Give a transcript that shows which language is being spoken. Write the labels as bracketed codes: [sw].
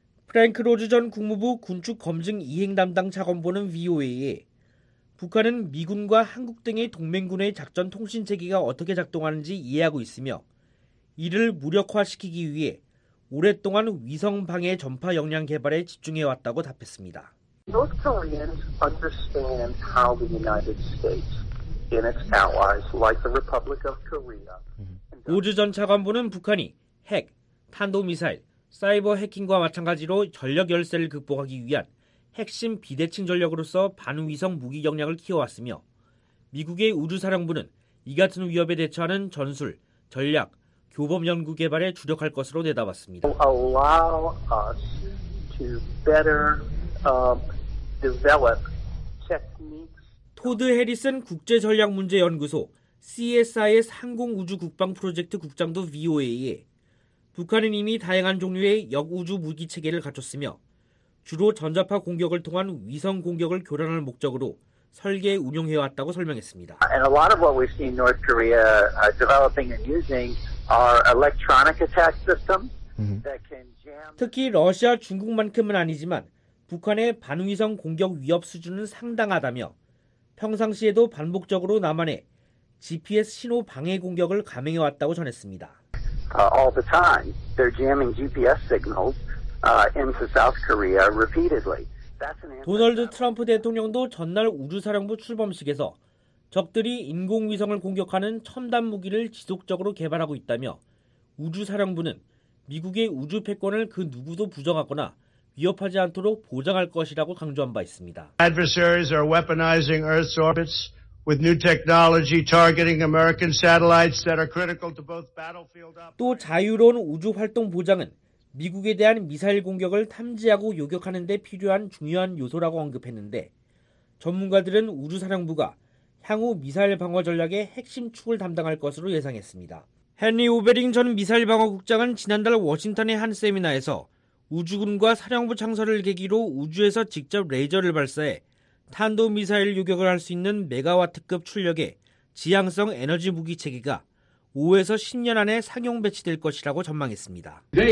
[ko] 프랭크 로즈 전 국무부 군축검증 이행 담당 차관보는 VOA에 북한은 미군과 한국 등의 동맹군의 작전 통신 체계가 어떻게 작동하는지 이해하고 있으며 이를 무력화시키기 위해 오랫동안 위성 방해 전파 역량 개발에 집중해왔다고 답했습니다. [en] North Koreans understand how the United States and its allies like the Republic of Korea. [ko] 우주 전 차관보는 북한이 핵, 탄도미사일, 사이버 해킹과 마찬가지로 전력 열세를 극복하기 위한 핵심 비대칭 전력으로서 반위성 무기 역량을 키워왔으며 미국의 우주사령부는 이 같은 위협에 대처하는 전술, 전략, 교범 연구 개발에 주력할 것으로 내다봤습니다. [en] Allow us to better develop techniques. [ko] 토드 해리슨 국제전략문제연구소 CSIS 항공우주국방프로젝트 국장도 VOA에 북한은 이미 다양한 종류의 역우주 무기체계를 갖췄으며 주로 전자파 공격을 통한 위성 공격을 교란할 목적으로 설계 운용해왔다고 설명했습니다. [en] And a lot of what we see North Korea developing and using are electronic attack systems that can jam. [ko] 특히 러시아 중국만큼은 아니지만 북한의 반위성 공격 위협 수준은 상당하다며 평상시에도 반복적으로 남한에 GPS 신호 방해 공격을 감행해왔다고 전했습니다. [en] All the time they're jamming GPS signals into South Korea repeatedly. [ko] 도널드 트럼프 대통령도 전날 우주사령부 출범식에서 적들이 인공위성을 공격하는 첨단 무기를 지속적으로 개발하고 있다며 우주사령부는 미국의 우주 패권을 그 누구도 부정하거나 위협하지 않도록 보장할 것이라고 강조한 바 있습니다. [en] Adversaries are weaponizing Earth's orbits with new technology targeting American satellites that are critical to both battlefield. [ko] 또 자유로운 우주 활동 보장은 미국에 대한 미사일 공격을 탐지하고 요격하는 데 필요한 중요한 요소라고 언급했는데 전문가들은 우주사령부가 향후 미사일 방어 전략의 핵심 축을 담당할 것으로 예상했습니다. 헨리 오베링 전 미사일 방어 국장은 지난달 워싱턴의 한 세미나에서 우주군과 사령부 창설을 계기로 우주에서 직접 레이저를 발사해 탄도미사일 요격을 할 수 있는 메가와트급 출력의 지향성 에너지 무기 체계가 5에서 10년 안에 상용 배치될 것이라고 전망했습니다.